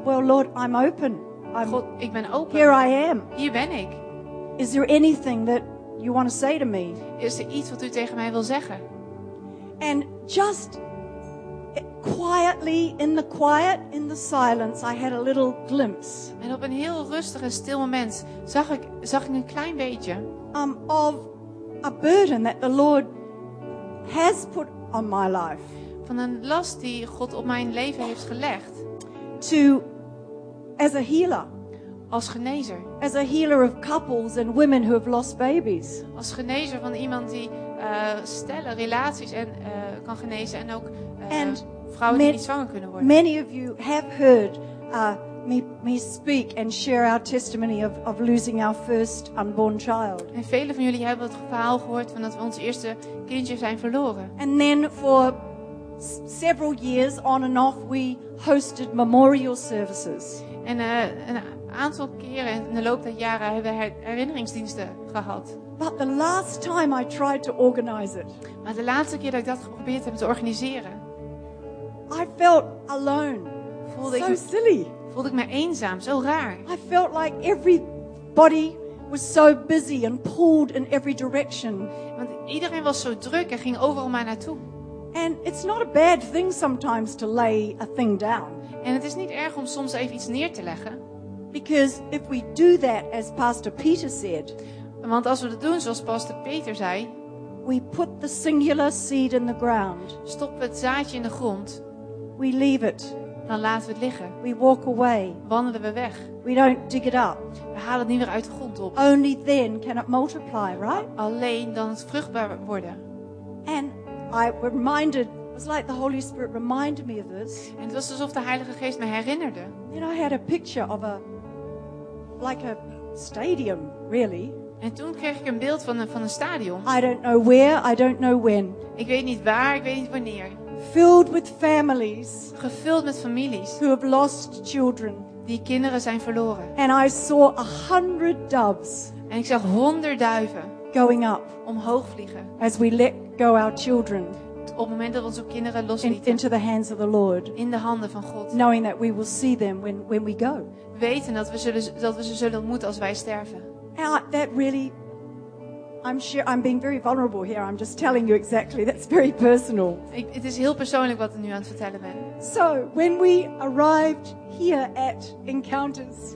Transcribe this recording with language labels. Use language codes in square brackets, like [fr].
[en] Well, Lord, I'm open. [nl] God, ik ben open. [en] Here I am. [nl] Hier ben ik. [en] Is there anything that you want to say to me? [nl] Is er iets wat u tegen mij wil zeggen? [en] And just quietly in the quiet, in the silence, I had a little glimpse. [nl] En op een heel rustig en stil moment zag ik een klein beetje [en] of a burden that the Lord has put on my life. [nl] Van een last die God op mijn leven heeft gelegd. [en] To as a healer. [nl] Als genezer. [en] As a healer of couples and women who have lost babies. [nl] Als genezer van iemand die stellen, relaties en kan genezen en ook [en] and [nl] vrouwen die niet zwanger kunnen worden. [en] Many of you have heard me speak and share our testimony of losing our first unborn child. [nl] En vele van jullie hebben het verhaal gehoord van dat we ons eerste kindje zijn verloren. [en] And then for several years on and off we hosted memorial services. [nl] En een aantal keren in de loop der jaren hebben we herinneringsdiensten gehad. [en] But the last time I tried to organize it. [nl] Maar de laatste keer dat ik dat geprobeerd heb te organiseren. [en] I felt alone. [nl] Voelde ik me eenzaam, zo raar. [en] I felt like everybody was so busy and pulled in every direction. [nl] Want iedereen was zo druk en ging overal maar naartoe. [en] And it's not a bad thing sometimes to lay a thing down. [nl] En het is niet erg om soms even iets neer te leggen. [en] Because if we do that, as Pastor Peter said. [nl] Want als we dat doen, zoals Pastor Peter zei. [en] We put the singular seed in the ground. [nl] Stoppen we het zaadje in de grond. [en] We leave it. [nl] Dan laten we het liggen. [en] We walk away. [nl] Wandelen we weg. [en] We don't dig it up. [nl] We halen het niet meer uit de grond op. [en] Only then can it multiply, right? [nl] Alleen dan het vruchtbaar worden. [en] And I reminded. It was like the Holy Spirit reminded me of this. [nl] En het was alsof de Heilige Geest me herinnerde. [en] And I had a picture of a like a stadium, really. [nl] En toen kreeg ik een beeld van een stadion. [en] I don't know where, I don't know when. [nl] Ik weet niet waar, ik weet niet wanneer. [en] Filled with families. [nl] Gevuld met families. [en] Who have lost children. [nl] Die kinderen zijn verloren. [en] And I saw 100 doves. [nl] En ik zag 100 duiven. [en] Going up. [nl] Omhoog vliegen. [en] As we let go our children. [nl] Op het moment dat onze kinderen loslieten. [en] Into the hands of the Lord. [nl] In de handen van God. [en] Knowing that we will see them when we go. [nl] Weten dat we ze zullen ontmoeten als wij sterven. [en] That really, I'm being very vulnerable here. I'm just telling you exactly. That's very personal. [nl] Het is heel persoonlijk wat ik nu aan het vertellen ben. [en] So when we arrived here at Encounters.